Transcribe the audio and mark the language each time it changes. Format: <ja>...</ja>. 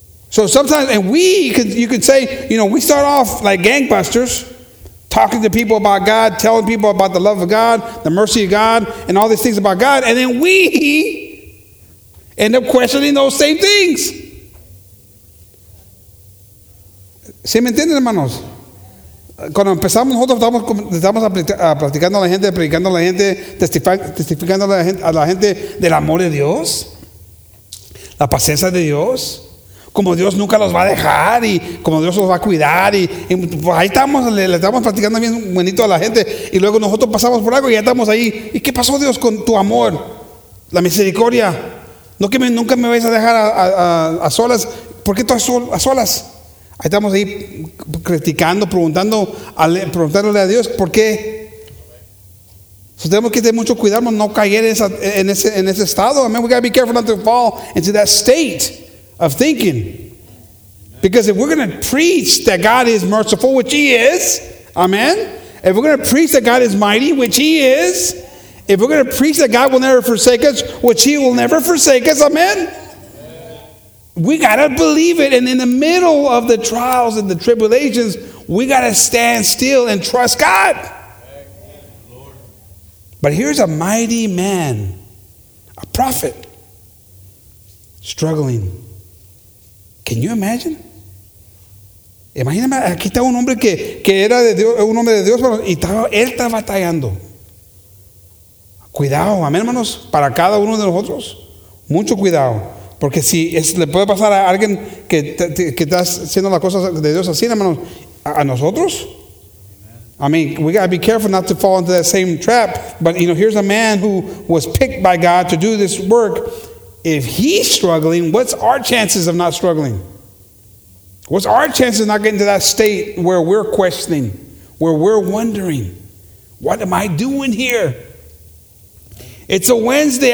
<en>So sometimes, and we could, you could say, you know, we start off like gangbusters, talking to people about God, telling people about the love of God, the mercy of God, and all these things about God. And then we end up questioning those same things.</en> <es>¿Sí me entienden, hermanos? Cuando empezamos, nosotros estamos platicando a la gente, predicando a la gente, testificando a la gente del amor de Dios, la paciencia de Dios, como Dios nunca los va a dejar y como Dios los va a cuidar. Y pues ahí estamos, le estamos platicando bien bonito a la gente y luego nosotros pasamos por algo y ya estamos ahí. ¿Y qué pasó, Dios, con tu amor, la misericordia? ¿No que nunca me vais a dejar a solas? ¿Por qué tú a solas? Ahí estamos ahí criticando, preguntándole a Dios, ¿por qué? So tenemos que tener mucho cuidado, no caer en ese estado.</es> <en>I mean, we got to be careful not to fall into that state of thinking. Because if we're going to preach that God is merciful, which he is, amen. If we're going to preach that God is mighty, which he is. If we're going to preach that God will never forsake us, which he will never forsake us, amen. We got to believe it. And in the middle of the trials and the tribulations, we got to stand still and trust God. But here's a mighty man, a prophet, struggling. Can you imagine?</en> <es>Imagíname, aquí está un hombre que era de Dios, un hombre de Dios, pero él está batallando. Cuidado, amén, hermanos, para cada uno de nosotros. Mucho cuidado. Porque si le puede pasar a alguien que está haciendo las cosas de Dios así, hermanos, a nosotros.</es> <en>I mean, we got to be careful not to fall into that same trap. But, you know, here's a man who was picked by God to do this work. If he's struggling, what's our chances of not struggling? What's our chances of not getting to that state where we're questioning, where we're wondering, what am I doing here? It's a Wednesday.</en>